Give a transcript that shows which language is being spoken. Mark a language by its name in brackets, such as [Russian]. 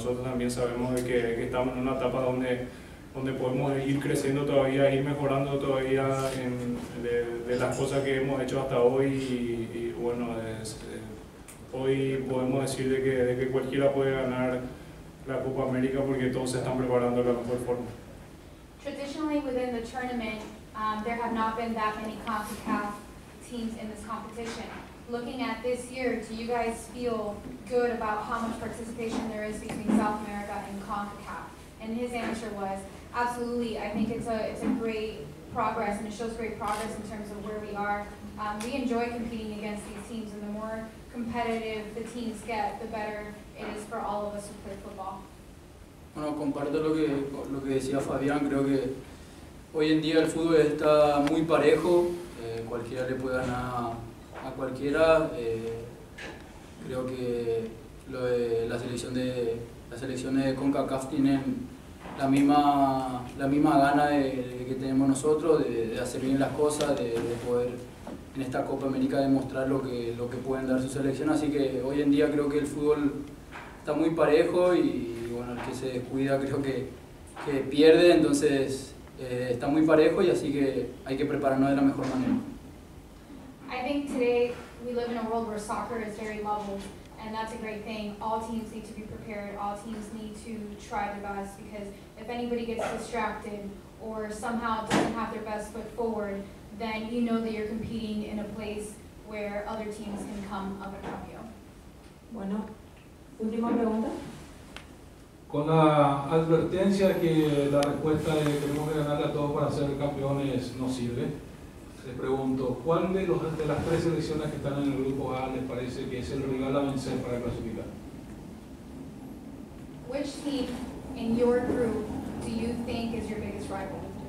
[Spanish] Nosotros también sabemos de que estamos en una etapa donde podemos ir creciendo todavía, ir mejorando todavía de las cosas que hemos hecho hasta hoy y bueno, hoy podemos decir de que cualquiera puede ganar la Copa América porque todos se están preparando de la mejor forma. [English] Traditionally within the tournament, there have not been that many CONCACAF teams in this competition. Looking at this year, do you guys feel good about how much participation there is between South America and CONCACAF? And his answer was, absolutely, I think it's a great progress and it shows great progress in terms of where we are. We enjoy competing against these teams, and the more competitive the teams get, the better it is for all of us who play football. [Spanish] Bueno, comparto lo que decía Fabián. Creo que hoy en día el fútbol está muy parejo. Cualquiera le puede ganar a cualquiera. Creo que lo de la selección de las selecciones de CONCACAF tienen la misma gana de que tenemos nosotros de hacer bien las cosas, de poder en esta Copa América demostrar lo que pueden dar su selección. Así que hoy en día creo que el fútbol está muy parejo y bueno, el que se descuida creo que pierde. Entonces está muy parejo y así que hay que prepararnos de la mejor manera. [English] I think today we live in a world where soccer is very level, and that's a great thing. All teams need to be prepared. All teams need to try their best, because if anybody gets distracted or somehow doesn't have their best foot forward, then you know that you're competing in a place where other teams can come up and help you. [Spanish] Bueno, última pregunta. Con la advertencia que la respuesta de que tenemos que ganarle a todos para ser campeones no sirve, te pregunto, ¿cuál de las tres selecciones que están en el grupo A les parece que es el rival a vencer para clasificar? [English] Which team in your group do you think is your biggest rival?